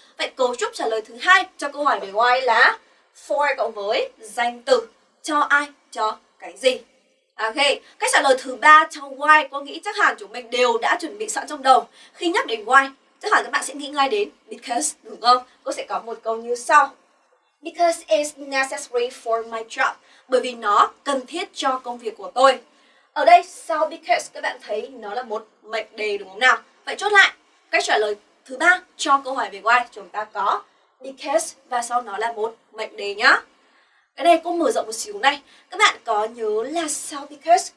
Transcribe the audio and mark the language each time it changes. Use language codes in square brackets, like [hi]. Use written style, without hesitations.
[vi] Vậy cấu trúc trả lời thứ hai cho câu hỏi về why là for cộng với danh từ, cho ai, cho cái gì. Ok, cách trả lời thứ ba cho why, có nghĩ chắc hẳn chúng mình đều đã chuẩn bị sẵn trong đầu. Khi nhắc đến why, chắc hẳn các bạn sẽ nghĩ ngay đến because, đúng không? Cô sẽ có một câu như sau. [en] Because it's necessary for my job. [vi] Bởi vì nó cần thiết cho công việc của tôi. Ở đây, sau because, các bạn thấy nó là một mệnh đề đúng không nào? Vậy chốt lại, cách trả lời thứ ba cho câu hỏi về why, chúng ta có because và sau nó là một mệnh đề nhá. Cái này cô mở rộng một xíu này. Các bạn có nhớ là sao because?